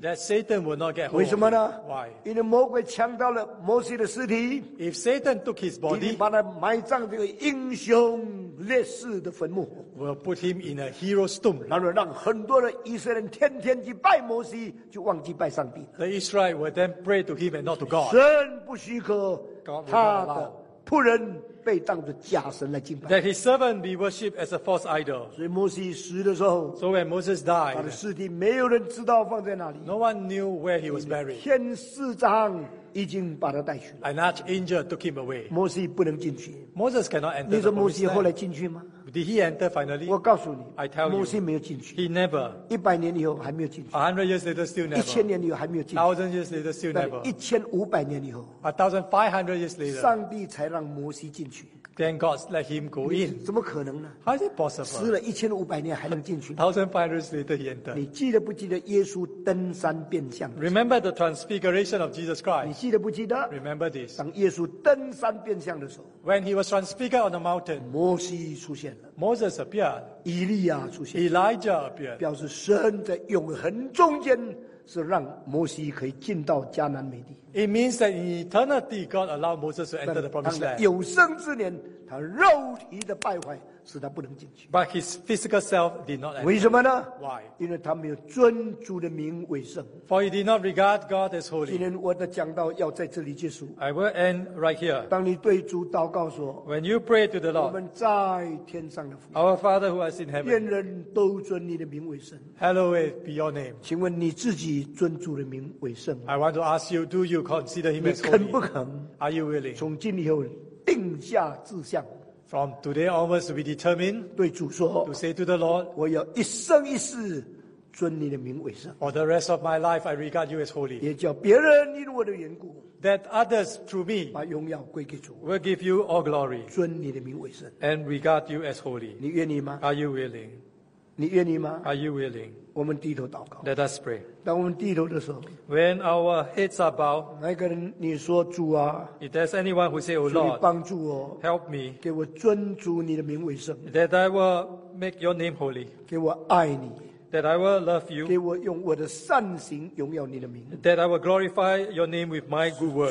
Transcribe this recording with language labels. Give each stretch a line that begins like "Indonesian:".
English: That Satan will not get hold.
Chinese: 为什么呢
English: ？Why?
Chinese: 因为魔鬼抢到了摩西的尸体。
English: If Satan took his body,
Chinese: 把他埋葬这个英雄烈士的坟墓。
English: Will put him in a hero's tomb.
Chinese: 那么让很多的以色列人天天去拜摩西，就忘记拜上帝。
English: The Israelites will then pray to him and not to God.
Chinese: 神不许可他的仆人。被当作假神来敬拜。
English: That his servant be worshipped as a false idol.
Chinese: 所以摩西死的时候
English: ，So when Moses died,
Chinese: 他的尸体没有人知道放在哪里。
English: No one knew where he was buried.
Chinese: 天使长已经把他带去了。
English: An archangel took him away.
Chinese: 摩西不能进去。
English: Moses cannot enter.
Chinese: 你说摩西后来进去吗
English: ？Did he enter finally?
Chinese: 我告诉你
English: ，I tell you,
Chinese: 摩西没有进去。
English: He never.
Chinese: 一百年以后还没有进去。
English: 100 years later, still never.
Chinese: 1000年以后还没有进去。
English: 1000 years later, still never.
Chinese: 1500年以后
English: ，1500 years later,
Chinese: 上帝才让摩西进去。
English: Then God let him go in.
Chinese: 怎么可能呢
English: ？How is it possible?
Chinese: 死了一千五百年还能进去
English: ？1500 years later, he entered.
Chinese: 你记得不记得耶稣登山变相
English: ？Remember the transfiguration of Jesus Christ.
Chinese: 你记得不记得
English: ？Remember this.
Chinese: 当耶稣登山变相的时候
English: ，When he was transfigured on the mountain,
Chinese: 摩西出现了。
English: Moses appeared.
Chinese: 以利亚出现。
English: Elijah appeared.
Chinese: 表示神在永恒中间。是让摩西可以进到迦南美地。
English: It means that in eternity, God allowed Moses to enter the promised land.
Chinese: 有生之年，他肉体的败坏使他不能进去。
English: But his physical self did not enter.
Chinese: 为什么呢
English: ？Why?
Chinese: 因为他没有尊主的名为圣。
English: For he did not regard God as holy.
Chinese: 今天我的讲道要在这里结束。
English: I will end right here.
Chinese: 当你对主祷告说
English: ，When you pray to the Lord,
Chinese: 我们在天上的父。
English: Our Father who art in heaven.
Chinese: 愿人都尊你的名为圣。
English: Hallowed be your name.
Chinese: 请问你自己尊主的名为圣
English: ？I want to ask you, do you consider him as holy?
Chinese: 你肯不肯
English: ？Are you willing?
Chinese: 从今以后定下志向。
English: From today onwards, we determine
Chinese: 对主说
English: to say to the Lord,
Chinese: 我要一生一世尊你的名为圣
English: For the rest of my life, I regard you as holy.
Chinese: 也叫别人因我的缘故
English: that others through me
Chinese: 把荣耀归给主
English: will give you all glory.
Chinese: 尊你的名为圣
English: and regard you as holy.
Chinese: 你愿意吗
English: Are you willing?
Chinese: 你愿意吗
English: Are you willing?
Chinese: 我们低头祷告
English: Let us pray.
Chinese: 当我们低头的时候
English: when our heads are bowed,
Chinese: 那个人你说主啊
English: if there's anyone who says, oh Lord,
Chinese: 你帮助我
English: help me,
Chinese: 给我尊主你的名为圣
English: that I will make your name holy,
Chinese: 给我爱你
English: that I will love you,
Chinese: 给我用我的善行荣耀你的名
English: that I will glorify your name with my good words,